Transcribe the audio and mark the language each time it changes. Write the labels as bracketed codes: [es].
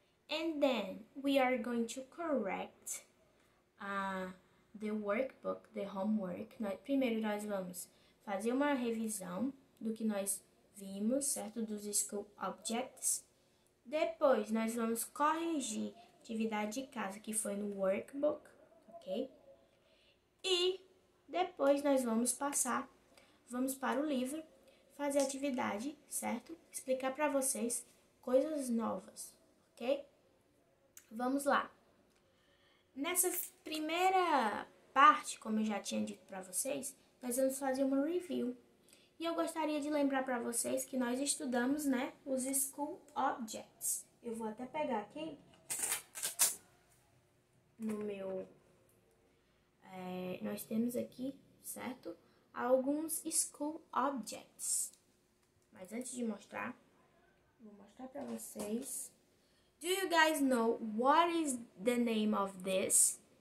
[en] And then, we are going to correct the workbook, the homework. [pt] Primeiro, nós vamos fazer uma revisão do que nós vimos, certo? Dos school objects. Depois, nós vamos corrigir atividade de casa que foi no workbook, ok? E depois, nós vamos para o livro, fazer atividade, certo? Explicar para vocês coisas novas, ok? Vamos lá. Nessa primeira parte, como eu já tinha dito para vocês, nós vamos fazer uma review. E eu gostaria de lembrar para vocês que nós estudamos, né, os school objects. Eu vou até pegar aqui no meu... nós temos aqui, certo? Alguns school objects. Mas antes de mostrar, vou mostrar para vocês. [en] Do you guys know what is the name of this?